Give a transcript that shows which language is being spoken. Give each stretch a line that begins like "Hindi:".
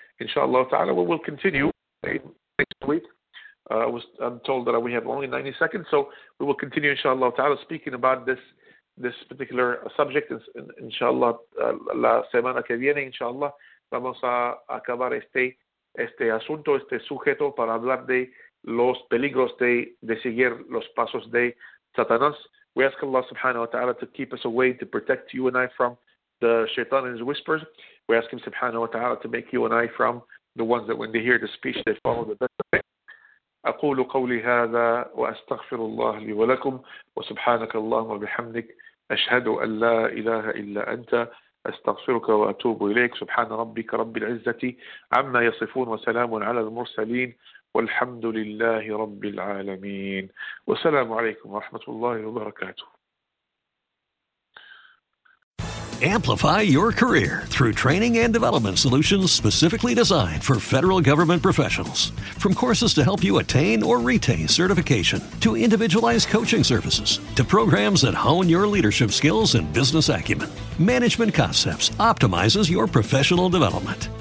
English: Inshallah ta'ala, we will continue next week. I'm told that we have only 90 seconds, so we will continue, inshallah ta'ala, speaking about this particular subject, inshallah,
Spanish: la semana que viene, inshallah, vamos a acabar este asunto, este sujeto, para hablar de los peligros de seguir los pasos de Satanás.
English: We ask Allah subhanahu wa ta'ala to keep us away, to protect you and I from the shaitan and his whispers. We ask him subhanahu wa ta'ala to make you and I from the ones that when they hear the speech, they follow the best of it.
Arabic: أقول قولي هذا وأستغفر الله لي ولكم وسبحانك اللهم وبحمدك أشهد أن لا إله إلا أنت أستغفرك وأتوب إليك سبحان ربك رب العزة عما يصفون وسلام على المرسلين والحمد لله رب العالمين والسلام عليكم ورحمة الله وبركاته.
English: Amplify your career through training and development solutions specifically designed for federal government professionals. From courses to help you attain or retain certification, to individualized coaching services, to programs that hone your leadership skills and business acumen, Management Concepts optimizes your professional development.